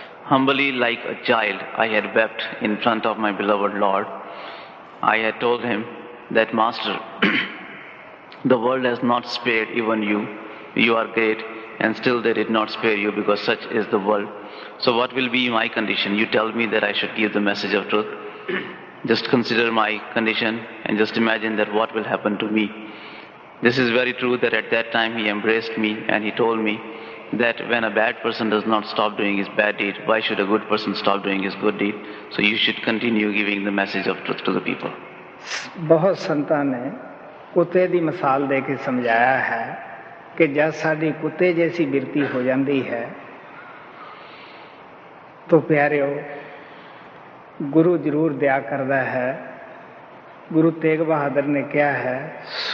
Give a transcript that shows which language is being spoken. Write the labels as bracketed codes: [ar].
[en] Humbly like a child I had wept in front of my beloved lord I had told him that master the world has not spared even you You are great and still they did not spare you because such is the world. So what will be my condition? You tell me that I should give the message of truth. Just consider my condition and just imagine that what will happen to me. This is very true that at that time he embraced me and he told me that when a bad person does not stop doing his bad deed, why should a good person stop doing his good deed? So you should continue giving the message of truth to the people. [pa] Bahut santa ne kutte di misal deke samjhaya hai. ਕਿ ਜਦ ਸਾਡੀ ਕੁੱਤੇ ਜੈਸੀ ਬਿਰਤੀ ਹੋ ਜਾਂਦੀ ਹੈ ਤਾਂ ਪਿਆਰਿਓ ਗੁਰੂ ਜ਼ਰੂਰ ਦਿਆ ਕਰਦਾ ਹੈ ਗੁਰੂ ਤੇਗ ਬਹਾਦਰ ਨੇ ਕਿਹਾ ਹੈ